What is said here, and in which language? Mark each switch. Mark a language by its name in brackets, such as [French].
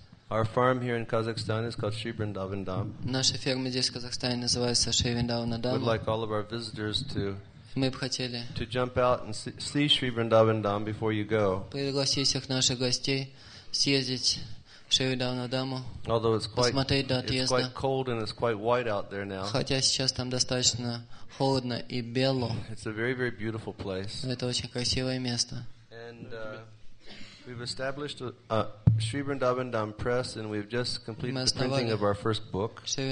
[English] Our farm here in Kazakhstan is called Sri Vrindavan Dham. [Russian] Наша ферма здесь в Казахстане называется Шри Вриндавана Дама. [English] We'd like all of our visitors to [Russian] мы бы хотели [English] to jump out and see Sri Vrindavan Dham before you go. [Russian] Пригласить всех наших гостей съездить в Шри Вриндавану Даму. [English] Although it's quite [Russian] посмотреть до отъезда. [English] It's quite cold and it's quite white out there now. [Russian] Хотя сейчас там достаточно холодно и бело. [English] It's a very very beautiful place. [Russian] Это очень красивое место. [English] And we've established a Sri Vrindavan Dham Press, and we've just completed the printing of our first book.